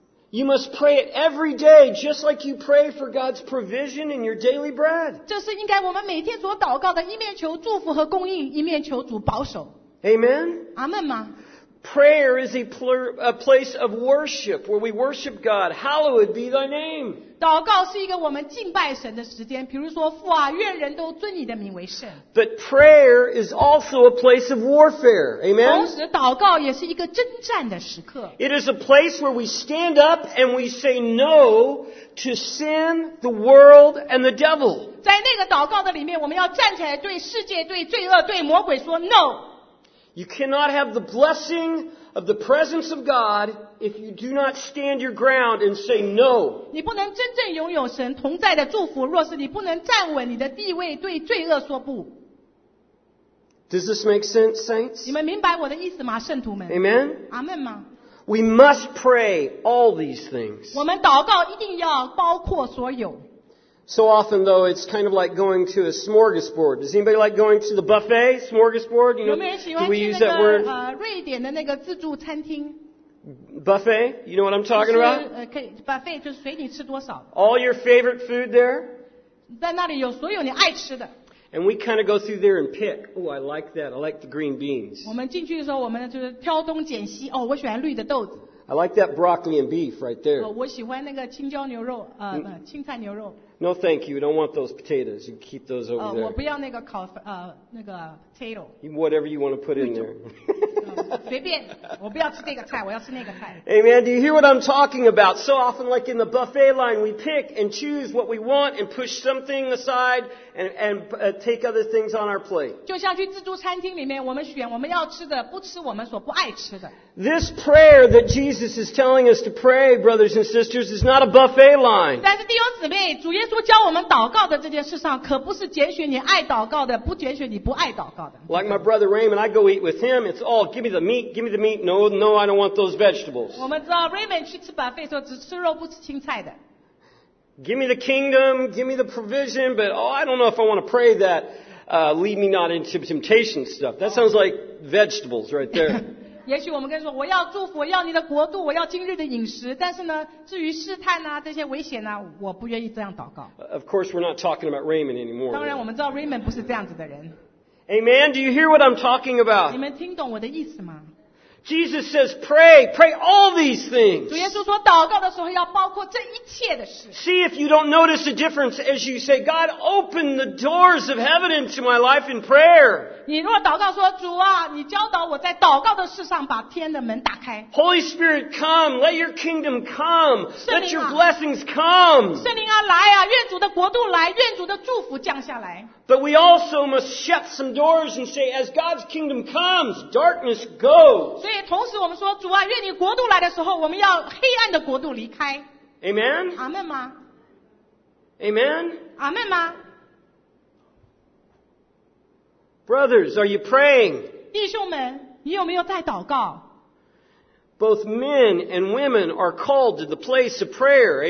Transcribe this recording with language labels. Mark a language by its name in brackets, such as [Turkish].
[English] You must pray it every day, just like you pray for God's provision in your daily bread. [Chinese] 这是应该我们每天所祷告的，一面求祝福和供应，一面求主保守。 [English] Amen. [Chinese] 阿们吗？ [English] Prayer is a place of worship where we worship God. Hallowed be thy name. [Chinese] 祷告是一个我们敬拜神的时间，比如说父啊，愿人都尊你的名为圣。 [English] But prayer is also a place of warfare. Amen. [Chinese] 同时祷告也是一个征战的时刻。 [English] It is a place where we stand up and we say no to sin, the world, and the devil. [Chinese] 在那个祷告的里面，我们要站起来对世界、对罪恶、对魔鬼说 no。 [English] You cannot have the blessing of the presence of God if you do not stand your ground and say no. [Chinese] 你不能真正拥有神同在的祝福，若是你不能站稳你的地位，对罪恶说不。 [English] Does this make sense, saints? [Chinese] 你们明白我的意思吗，圣徒们？ [English] Amen. [Chinese] 阿们吗？ [English] We must pray all these things. [Chinese] 我们祷告一定要包括所有。 [English] So often, though, it's kind of like going to a smorgasbord. Does anybody like going to the buffet? Smorgasbord? You know, do we use that word? [Chinese] 瑞典的那个自助餐厅 [English] Buffet? You know what I'm talking about? [Chinese] Buffet 就是随你吃多少 [English] All your favorite food there? [Chinese] 在那里有所有你爱吃的 [English] And we kind of go through there and pick. Oh, I like that. I like the green beans. [Chinese] 我们进去的时候我们就是挑东拣西哦，我喜欢绿的豆子 [English] I like that broccoli and beef right there. [Chinese] 我喜欢那个青椒牛肉青菜牛肉 [English] No, thank you. Don't want those potatoes. You keep those over there. [Chinese] 我不要那个烤那个 potato. [English] Whatever you want to put in there. [Chinese] 随便，我不要吃这个菜，我要吃那个菜。 [English] Amen. Do you hear what I'm talking about? So often, like in the buffet line, we pick and choose what we want and push something aside and take other things on our plate. [Chinese] 就像去自助餐厅里面，我们选我们要吃的，不吃我们所不爱吃的。 [English] This prayer that Jesus is telling us to pray, brothers and sisters, is not a buffet line. [Chinese] 但是弟兄姊妹，主耶稣教我们祷告的这件事上，可不是拣选你爱祷告的，不拣选你不爱祷告的。 [English] Like my brother Raymond, I go eat with him. It's all give me the meat, give me the meat. No, no, I don't want those vegetables. [Chinese] 我们知道 Raymond 去吃 buffet 时候只吃肉不吃青菜的。 [English] Give me the kingdom, give me the provision, but oh, I don't know if I want to pray that. Lead me not into temptation stuff. That sounds like vegetables right there. [Chinese] 也许我们跟说我要祝福，我要你的国度，我要今日的饮食。但是呢，至于试探啊，这些危险啊，我不愿意这样祷告。 [English] Of course, we're not talking about Raymond anymore. [Chinese] 当然，我们知道 Raymond 不是这样子的人。 [English] Amen. Do you hear what I'm talking about? [Chinese] 你们听懂我的意思吗？ [English] Jesus says, "Pray, pray all these things." [Chinese] 主耶稣说，祷告的时候要包括这一切的事。 [English] See if you don't notice a difference as you say, "God, open the doors of heaven into my life in prayer." [Chinese] 你若祷告说，主啊，你教导我在祷告的事上把天的门打开。 [English] Holy Spirit, come. Let your kingdom come. Let your blessings come. [Chinese] 圣灵啊，来啊，愿主的国度来，愿主的祝福降下来。 [English] But we also must shut some doors and say, as God's kingdom comes, darkness go. [Chinese] 所以同时我们说，主啊，愿你国度来的时候，我们要黑暗的国度离开。 [English] Amen. [Chinese] 阿门吗？ [English] Amen. [Chinese] 阿门吗？ [English] Brothers, are you praying? [Chinese] 弟兄们，你有没有在祷告？ [English] Both men and women are called to the place of prayer.